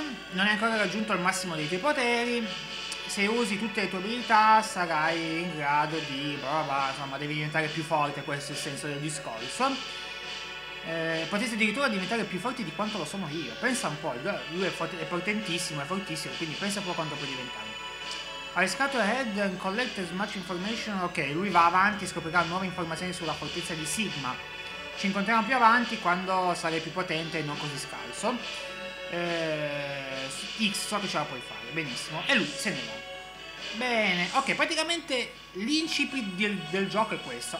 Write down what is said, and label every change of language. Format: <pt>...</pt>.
<it>Non hai ancora raggiunto il massimo dei tuoi poteri. Se usi tutte le tue abilità sarai in grado di... insomma, devi diventare più forte, questo è il senso del discorso. Potresti addirittura diventare più forti di quanto lo sono io. Pensa un po', lui è potentissimo, è fortissimo, quindi pensa un po' quanto puoi diventare.</it> <en>I scout ahead and collect as much information.</en> <it>Ok, lui va avanti e scoprirà nuove informazioni sulla fortezza di Sigma. Ci incontriamo più avanti quando sarai più potente e non così scarso. X, so che ce la puoi fare, benissimo. E lui se ne va. Bene, ok, praticamente l'incipit del gioco è questo.</it>